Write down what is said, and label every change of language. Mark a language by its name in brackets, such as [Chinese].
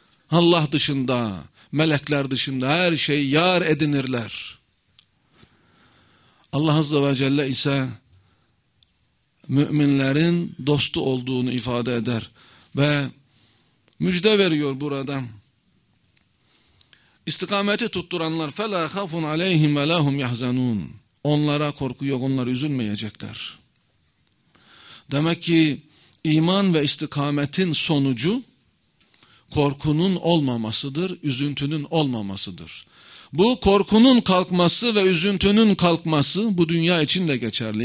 [Turkish] Allah dışında, melekler dışında her şey yar edinirler. Allah Azze ve Celle ise müminlerin dostu olduğunu ifade eder. Ve müjde veriyor burada. İstikameti tutturanlar [Arabic] فَلَا خَفٌ عَلَيْهِمْ وَلَا هُمْ يَحْزَنُونَ. [Turkish] Onlara korku yok, onlar üzülmeyecekler. Demek ki iman ve istikametin sonucu korkunun olmamasıdır, üzüntünün olmamasıdır. Bu korkunun kalkması ve üzüntünün kalkması bu dünya için de geçerli.